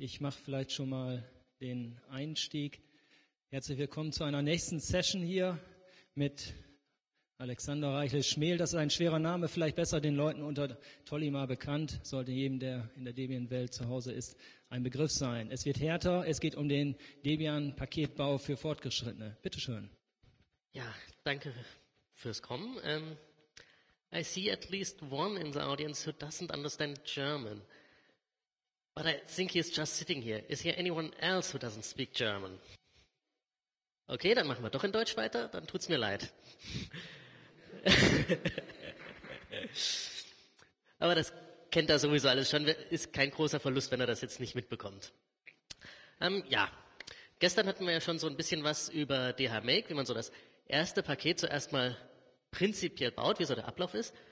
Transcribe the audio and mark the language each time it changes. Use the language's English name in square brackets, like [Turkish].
[German] Ich mache vielleicht schon mal den Einstieg. Herzlich willkommen zu einer nächsten Session hier mit Alexander Reichel-Schmehl. Das ist ein schwerer Name, vielleicht besser den Leuten unter Tolima bekannt. Sollte jedem, der in der Debian-Welt zu Hause ist, ein Begriff sein. Es wird härter. Es geht um den Debian-Paketbau für Fortgeschrittene. Bitte schön. Ja, danke fürs Kommen. [English] I see at least one in the audience who doesn't understand German. But I think he's just sitting here. Is there anyone else who doesn't speak German? [German] Okay, dann machen wir doch in Deutsch weiter. Dann tut's mir leid. Aber das kennt er sowieso alles schon. Ist kein großer Verlust, wenn er das jetzt nicht mitbekommt. Ja, gestern hatten wir ja schon so ein bisschen was über DHMake, wie man so das erste Paket zuerst mal prinzipiell baut, wie so der Ablauf ist.